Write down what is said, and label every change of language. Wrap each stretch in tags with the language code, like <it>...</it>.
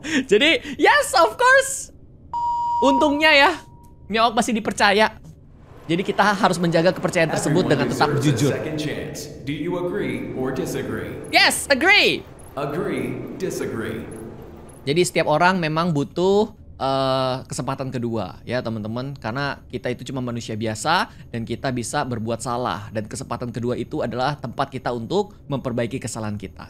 <id>Jadi</id> <en>yes of course.</en> <id>Untungnya ya Miaok masih dipercaya. Jadi kita harus menjaga kepercayaan tersebut dengan tetap jujur.</id> <en>Do you agree or disagree? Yes, agree. Agree, disagree.</en> <id>Jadi setiap orang memang butuh kesempatan kedua ya teman-teman, karena kita itu cuma manusia biasa dan kita bisa berbuat salah, dan kesempatan kedua itu adalah tempat kita untuk memperbaiki kesalahan kita.</id>